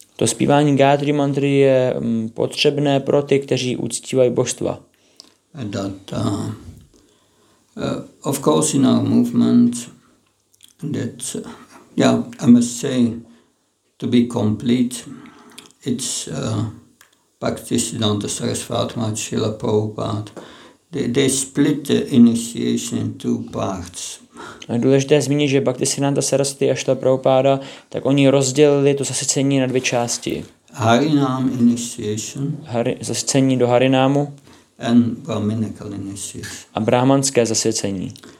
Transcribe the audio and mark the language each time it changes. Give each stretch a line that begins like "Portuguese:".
Czech: To zpívání Gayatri mantry je potřebné pro ty, kteří uctívají božstva.
English: And that of course in our movement that I must say to be complete it's Bhakti Siddhanta Sarasvati Maharaj Srila Prabhupada. They split the initiation in two parts.
Czech: A důležité zmínit, že Bhaktisiddhanta Sarasvati a Srila Prabhupada, tak oni rozdělili to zasvěcení na dvě části.
English: Harinam initiation.
Czech: Zasvěcení do Harinámu.
English: And Brahminical initiation.
Czech: A brahmanské zasvěcení.